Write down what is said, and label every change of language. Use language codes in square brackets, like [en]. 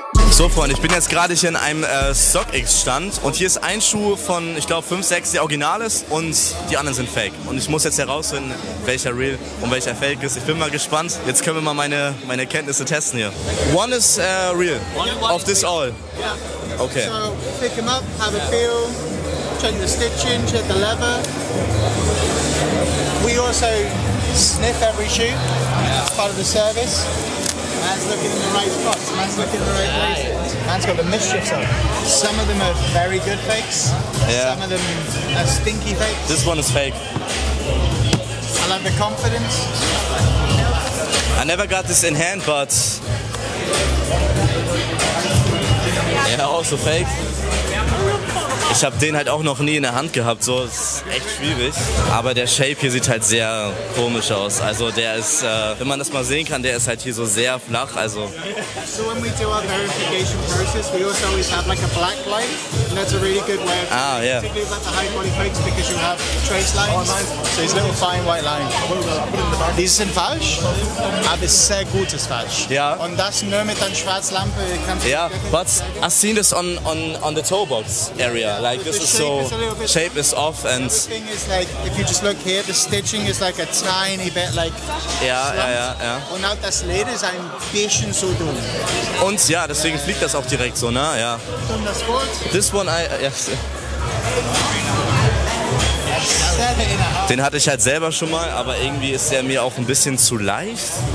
[de] So Freunde, ich bin jetzt gerade hier in einem StockX-Stand und hier ist ein Schuh von, ich glaube, 5, 6, der original ist und die anderen sind fake. Und ich muss jetzt herausfinden, welcher real und welcher fake ist. Ich bin mal gespannt. Jetzt können wir mal meine Kenntnisse testen hier. [en] One is real, of this all. Yeah. Okay. So, pick him up, have a feel, check the stitching, check the leather. We also sniff every shoe, it's part of the service. Man's looking in the right spots, man's looking in the right places. Man's got the mischiefs on. Some of them are very good fakes. Yeah. Some of them are stinky fakes. This one is fake. I love the confidence. I never got this in hand, but... Yeah, also fake. [de] Ich habe den halt auch noch nie in der Hand gehabt, so ist echt schwierig. Aber der Shape hier sieht halt sehr komisch aus. Also der ist, wenn man das mal sehen kann, der ist halt hier so sehr flach. Also. [en] So when we do our verification process, we also always have like a black light. And that's a really good way of doing it. Particularly with the high quality fakes, because you have trace lines. So these little fine white lines. [de] These sind falsch, aber sehr gutes falsch. Ja. Und das nur mit einer schwarzen Lampe. Ja, [en] but I've seen this on the toe box area. Yeah, like this is so, shape is off and... The thing is like, if you just look here, the stitching is like a tiny bit like... Yeah. [de] Und auch das Leder ist ein bisschen so dumm. Und ja, deswegen fliegt das auch direkt so, ne? Ja. Und das Wort? [en] This one, yes. [de] Den hatte ich halt selber schon mal, aber irgendwie ist der mir auch ein bisschen zu leicht.